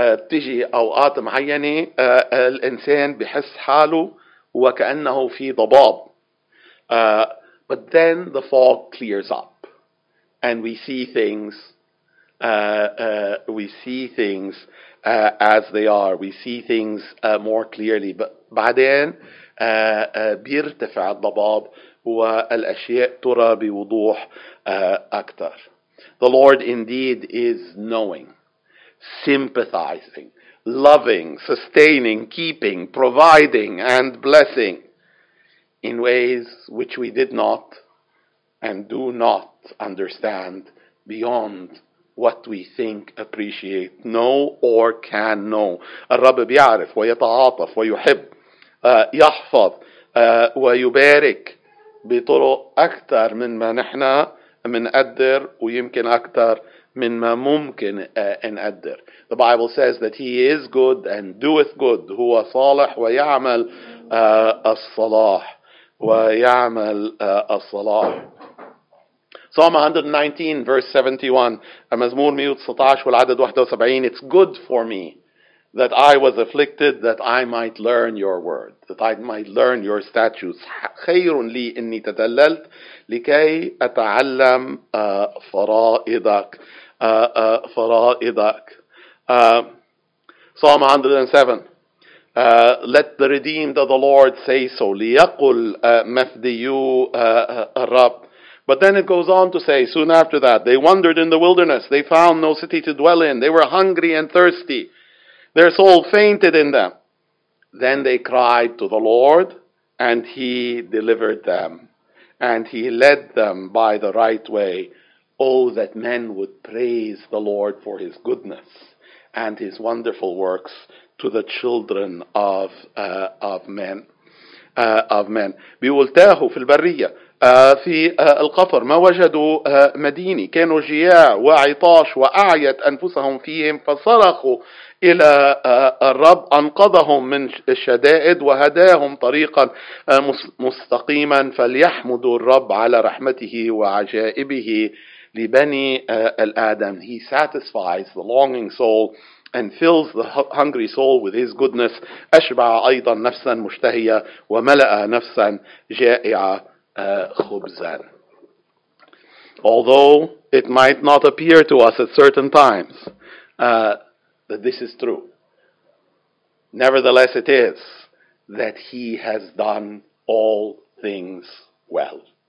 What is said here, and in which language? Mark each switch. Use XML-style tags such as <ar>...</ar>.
<ar>تجي أوقات معينة الإنسان بحس حاله وكأنه في ضباب.</ar> <en>But then the fog clears up and we see things as they are. We see things more clearly.</en> <ar>بعدين بيرتفع الضباب والأشياء ترى بوضوح أكثر.</ar> <en>The Lord indeed is knowing, sympathizing, loving, sustaining, keeping, providing, and blessing in ways which we did not and do not understand beyond what we think, appreciate, know, or can know.</en> <ar>الرب بيعرف ويتعاطف ويحب يحفظ ويبارك بطرق أكثر من ما نحن منقدر ويمكن أكثر من ما ممكن نقدر.</ar> <en>The Bible says that he is good and doeth good.</en> <ar>هو صالح ويعمل الصلاح ويعمل الصلاح.</ar> <en>Psalm 119, verse 71.</en> <ar>مزمور 119 والعدد 71.</ar> <en>It's good for me that I was afflicted, that I might learn your word, that I might learn your statutes.</en> <ar>خير لي إني تدللت لكي أتعلم فرائضك. فرائضك.</ar> <en>Psalm 107. Let the redeemed of the Lord say so.</en> <ar>ليقل مفديو الرب.</ar> <en>But then it goes on to say, soon after that, they wandered in the wilderness. They found no city to dwell in. They were hungry and thirsty. Their soul fainted in them. Then they cried to the Lord, and he delivered them. And he led them by the right way. Oh, that men would praise the Lord for his goodness and his wonderful works to the children of men.</en> <ar>بيقول تاهوا في البرية في القفر، ما وجدوا مدينة، كانوا جياع وعطاش وأعيت أنفسهم فيهم، فصرخوا إلى الرب أنقذهم من الشدائد وهداهم طريقا مستقيما. فليحمدوا الرب على رحمته وعجائبه لبني الآدم.</ar> <en>He satisfies the longing soul and fills the hungry soul with his goodness.</en> <ar>أشبع أيضا نفسا مشتهية وملأ نفسا جائعة خبزا.</ar> <en>Although it might not appear to us at certain times that this is true, nevertheless it is that he has done all things well.</en>